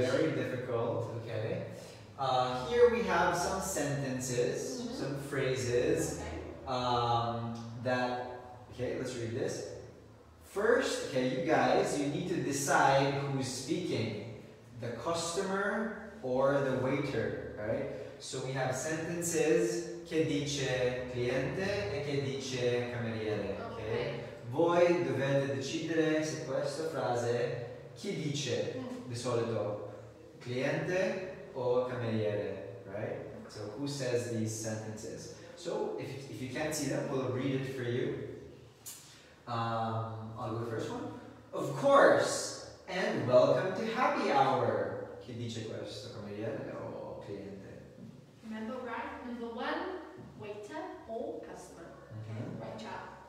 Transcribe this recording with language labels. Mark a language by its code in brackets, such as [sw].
[en] Very difficult, okay. Here we have some sentences, mm-hmm. some phrases. Okay, let's read this. First, okay, you guys, you need to decide who's speaking, the customer or the waiter, right? So we have sentences, [it] che dice cliente e che dice cameriere, okay? Voi dovete decidere se questa frase chi dice di solito, cliente o cameriere, right? [en] So who says these sentences? So if you can't see them, we'll read it for you. I'll go first one. Of course, and welcome to happy hour. [it] Chi dice questo, cameriere o cliente? [en] Remember, right? Number one, waiter or customer. Okay, mm-hmm. right job.